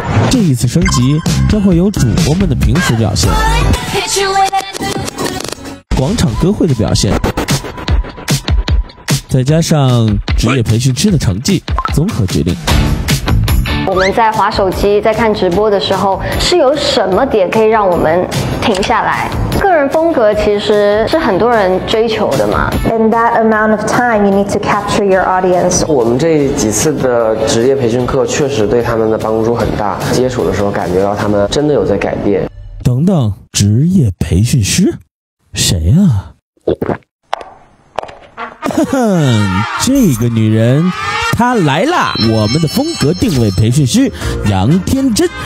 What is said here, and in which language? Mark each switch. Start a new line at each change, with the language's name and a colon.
Chinese: 这一次升级将会有主播们的平时表现、广场歌会的表现，再加上职业培训师的成绩，综合决定。我们在滑手机、在看直播的时候，是有什么点可以让我们停下来？个人风格其实是很多人追求的嘛。
English: In that amount of time, you need to capture your audience.
Chinese: 我们这几次的职业培训课确实对他们的帮助很大，接触的时候感觉到他们真的有在改变。等等，职业培训师？谁呀、啊？哼，这个女人她来了，我们的风格定位培训师杨天真。